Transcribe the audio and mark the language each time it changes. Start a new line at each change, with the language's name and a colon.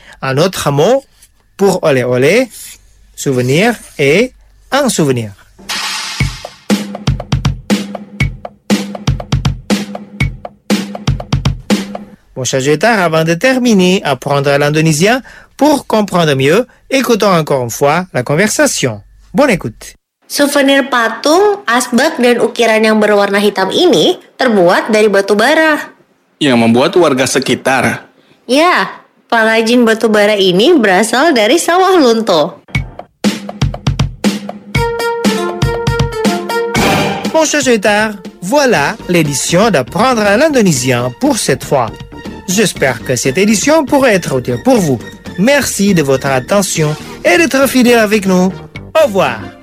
French: Un autre mot pour oleh, oleh, souvenir, est un souvenir. Bon, chers auditeurs, avant de terminer, apprendre l'indonésien pour comprendre mieux, écoutons encore une fois la conversation. Bonne écoute.
Indonesian: Souvenir patung, asbak, dan ukiran yang berwarna hitam ini terbuat dari batu bara. Yang membuat warga sekitar. Ya, prajin batu bara ini berasal dari sawah lunto.
French: Mon cher auditeur, voilà l'édition d'apprendre l'indonésien pour cette fois. J'espère que cette édition pourrait être utile pour vous. Merci de votre attention et d'être fidèle avec nous. Au revoir.